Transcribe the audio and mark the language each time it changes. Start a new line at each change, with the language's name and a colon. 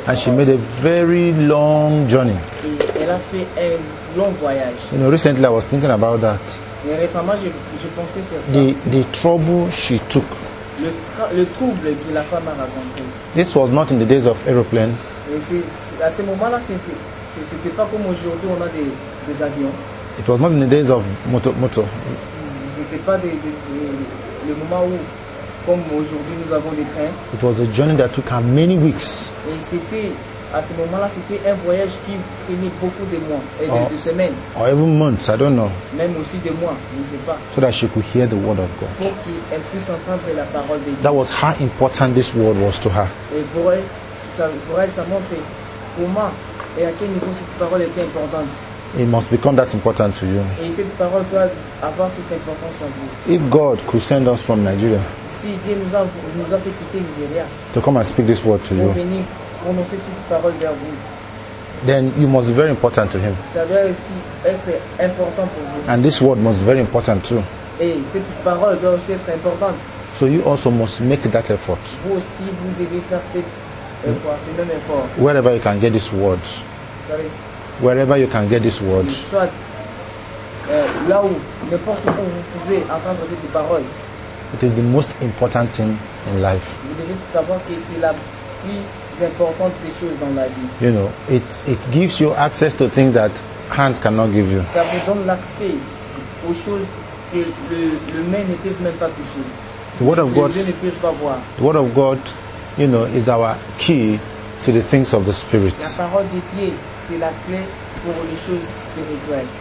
English: and parole. She made a very long journey.
French: Et elle a fait un long voyage.
English: You know, recently I was thinking about that.
French: Et récemment, je pensais sur ça.
English: The trouble she took.
French: Le trouble que la femme a raconté.
English: This was not in the days of aeroplane.
French: À ce moment-là, c'était pas comme aujourd'hui, on a des avions.
English: It was not in the days of moto.
French: C'était pas le moment où, comme aujourd'hui, nous avons des trains.
English: It was a journey that took her many weeks.
French: Et c'était, à ce moment-là, c'était un voyage qui prenait beaucoup de mois et de semaines.
English: Or even months, I don't know.
French: Même aussi des mois, je ne sais pas.
English: So that she could hear the word of God.
French: Pour qu'elle puisse entendre la parole de Dieu.
English: That was how important this word was to her.
French: Et pour elle, ça montre comment et à quel niveau cette parole était importante.
English: It must become that important to you.
French: Et cette parole doit avoir cette importance en vous.
English: If God could send us from Nigeria,
French: si Dieu nous a fait quitter Nigeria,
English: to come and speak this word to you,
French: venir prononcer cette parole vers vous,
English: then you must be very important to him.
French: Sa vie aussi est important pour vous.
English: And this word must be very important too.
French: Et cette parole doit aussi être importante.
English: So you also must make that effort.
French: Vous aussi vous devez faire cet effort, ce même effort.
English: Wherever you can get this word. Sorry. Wherever you can get this word.
French: Soit là où n'importe où vous pouvez entendre cette parole.
English: It is the most important thing in life.
French: Vous devez savoir que c'est la plus importante des choses dans la vie.
English: You know, it gives you access to things that hands cannot give you.
French: Ça vous donne l'accès aux choses que le main ne peut même pas toucher.
English: The word of God.
French: Les yeux ne peuvent pas voir.
English: The word of God, you know, is our key to the things of the spirit.
French: La parole de Dieu, c'est la clé pour les choses spirituelles.